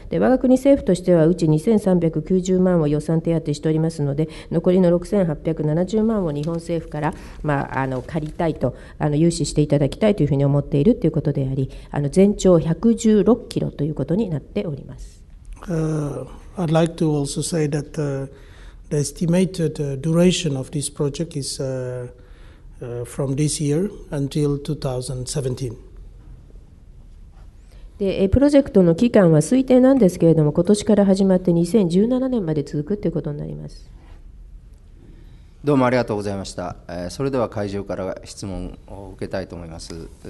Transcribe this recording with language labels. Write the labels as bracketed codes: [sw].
[ja] で、我が国政府としてはうち2390万を予算手当しておりますので、残りの6870万を日本政府から、借りたいと融資していただきたいというふうに思っているということであり、全長116キロということになっております。 [en] I'd like to also say that the estimated duration of this project is from this year until 2017. [ja] で、プロジェクトの期間は推定なんですけれども、今年から始まって2017年まで続くということになります。どうもありがとうございました。それでは会場から質問を受けたいと思います。